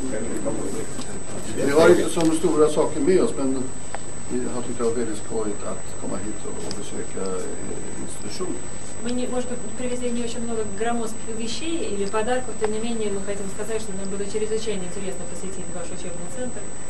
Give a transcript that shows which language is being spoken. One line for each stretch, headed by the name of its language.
Russian: Мы не имеем большие вещи с нами, но...
Swedish: Jag tyckte det var väldigt skojigt att komma hit och besöka institutionen.
Russian: Мы не, может быть, привезли не очень много громоздких вещей или подарков, тем не менее мы хотим сказать, что нам было чрезвычайно интересно посетить ваш учебный центр.